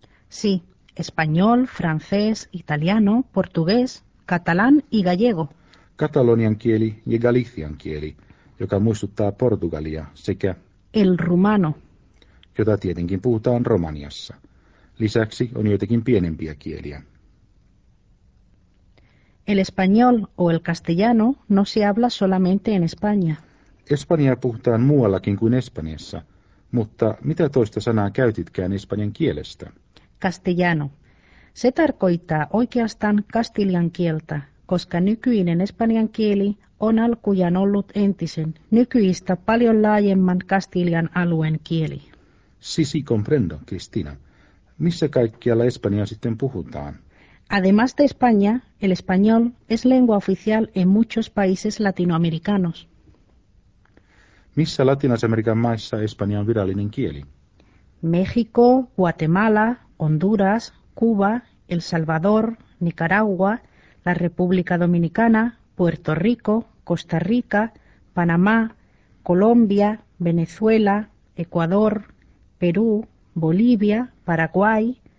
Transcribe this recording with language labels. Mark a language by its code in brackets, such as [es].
[es] Sí, español, francés, italiano, portugués, catalán y gallego. [fi] Katalonian kieli ja Galician kieli, joka muistuttaa Portugalia, sekä [es] el rumano, [fi] jota tietenkin puhutaan Romaniassa. Lisäksi on joitakin pienempiä kieliä. [es] El español o el castellano no se habla solamente en España. [fi] Espanjaa puhutaan muuallakin kuin Espanjassa, mutta mitä toista sanaa käytitkään espanjan kielestä? [es] Castellano. [fi] Se tarkoittaa oikeastaan kastilian kieltä, koska nykyinen espanjan kieli on alkujaan ollut entisen, nykyistä paljon laajemman kastilian alueen kieli. [es] Sí, sí, comprendo, Cristina. [fi] Missä kaikkialla espanjaa sitten puhutaan? [es] Además de España, el español es lengua oficial en muchos países latinoamericanos. [fi] Missä Latinas-Amerikan maissa espanja on virallinen kieli? [es] México, Guatemala, Honduras, Cuba, El Salvador, Nicaragua, la República Dominicana, Puerto Rico, Costa Rica, Panamá, Colombia, Venezuela, Ecuador, Perú, Bolivia, Paraguay,